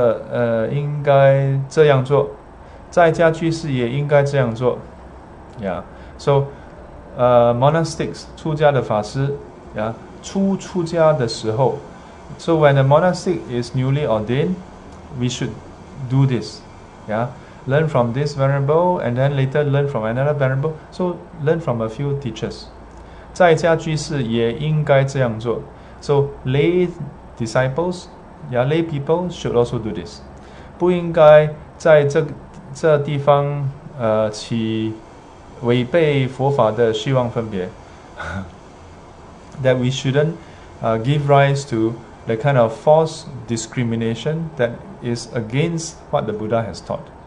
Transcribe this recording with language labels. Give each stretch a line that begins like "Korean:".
Chinese: 出家的时候应该这样做, 在家居士也应该这样做, yeah.
English: So monastics,
Chinese: 出家的法师,
English: yeah,
Chinese: 出家的时候,
English: so when a monastic is newly ordained, we should do this, yeah, learn from this venerable, and then later learn from another venerable, so learn from a few teachers.
Chinese: 在家居士也应该这样做.
English: So lay disciples, yeah, lay people should also do this.
Chinese: 不应该在这地方 起 违背佛法的希望分别,
English: that we shouldn't give rise to the kind of false discrimination that is against what the Buddha has taught.